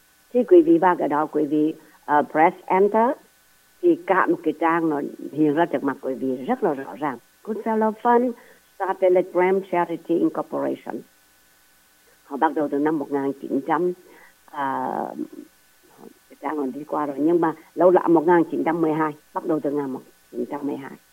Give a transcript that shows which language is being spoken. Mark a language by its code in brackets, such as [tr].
[vi] Khi quý vị vào cái đó, quý vị press enter, thì cả một cái trang nó hiện ra trước mặt quý vị rất là rõ ràng. [en] Goodfellow Fund started a Graham Charity Incorporation. [vi] Họ bắt đầu từ năm 1900, cái trang nó đi qua rồi, nhưng mà lâu lắm, 1912, bắt đầu từ năm 1912.